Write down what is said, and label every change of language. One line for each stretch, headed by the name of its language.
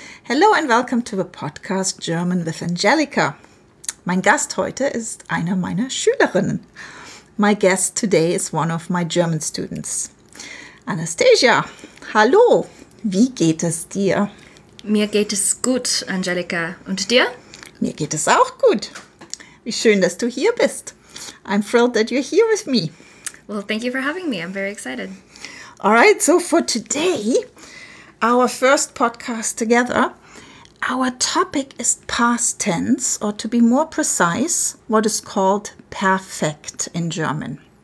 English: Hello and welcome to the podcast German with Angelika.
German: Mein Gast heute ist eine meiner Schülerinnen.
English: My guest today is one of my German students.
German: Anastasia, hallo, wie geht es dir? Mir geht es gut, Angelika. Und dir? Mir geht es auch gut. Wie schön, dass du hier bist.
English: I'm thrilled that you're here with me. Well, thank you for having me. I'm very excited. All right, so for today, our first podcast together, our topic is past tense, or to be more precise, what is called perfect in German.